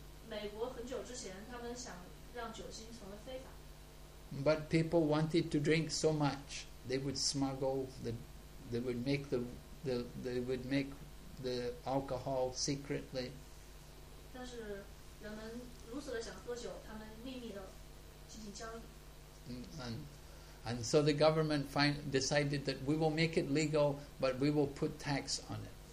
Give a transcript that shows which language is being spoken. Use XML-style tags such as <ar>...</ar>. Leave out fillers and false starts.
<zh>美国很久之前他们想让酒精成为非法。</zh> <en>But people wanted to drink so much, they would smuggle, they would make the alcohol secretly.</en> <zh>但是人们如此的想喝酒，他们秘密的进行交易。</zh> <en>And so the government decided that we will make it legal, but we will put tax on it.</en>